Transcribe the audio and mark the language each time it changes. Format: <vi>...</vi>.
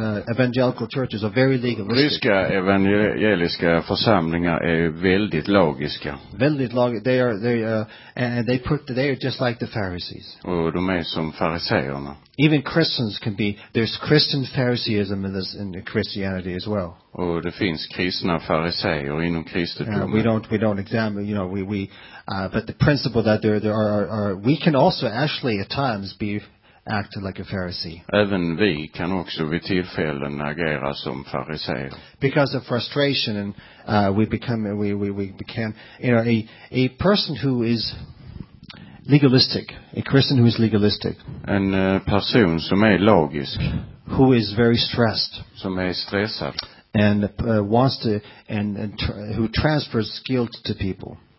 <en>evangelical churches are very legalistic.</en> <sv>Ryska evangeliska församlingar är väldigt logiska. Väldigt logiska.</sv> <en>They are just like the Pharisees.</en> <sv>Och de är som fariseerna.</sv> <en>Even Christians can be. There's Christian Phariseeism in Christianity as well.</en> <sv>Och det finns kristna fariseer inom kristendomen.</sv> <en>We don't examine. You know, but the principle that there are we can also actually at times be. Acted like a Pharisee.</en> <sv>Även vi kan också vid tillfällen agera som fariseer.</sv> <en>Because of frustration and we become you know a person who is legalistic, a Christian who is legalistic.</en> <sv>En person som är logisk.</sv> <en>Who is very stressed.</en> <sv>Som är stressad.</sv> <en>And wants to who transfers guilt to people.</en>